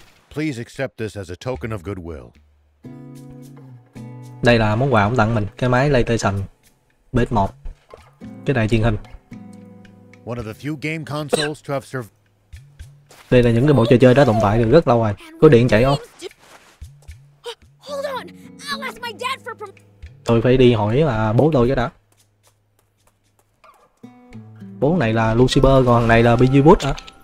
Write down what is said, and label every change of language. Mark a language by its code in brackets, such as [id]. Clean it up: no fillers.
[en] Please accept this as a token of goodwill. [vi] Đây là món quà ông tặng mình, cái máy PlayStation Base 1. Cái đài truyền hình. [en] One of the few game consoles to have survived. [vi] Đây là những cái bộ trò chơi đã tồn tại được rất lâu rồi. Có điện chạy không? [en] Hold on. I'll ask my dad for... [vi] Tôi phải đi hỏi là bố tôi chứ đã. Bố này là Lucifer, còn thằng này là Beelzebub á.